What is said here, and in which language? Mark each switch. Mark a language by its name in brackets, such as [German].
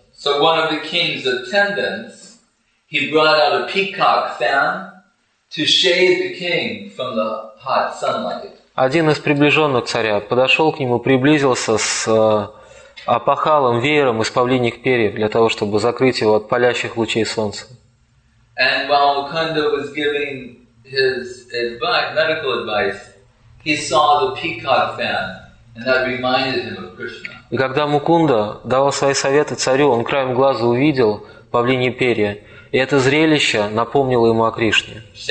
[English] So one of the king's attendants, he brought out a peacock fan to shade the king from the hot sunlight. [Russian] Один из приближенных царя подошел к нему, приблизился с опахалом, веером из павлиньих перьев для того, чтобы закрыть его от палящих лучей солнца. [English] And while Mukunda was giving his advice, medical advice, he saw the peacock fan, and that reminded him of Krishna. [Russian] И когда Мукунда давал свои советы царю, он краем глаза увидел павлинье перья, и это зрелище напомнило ему о Кришне.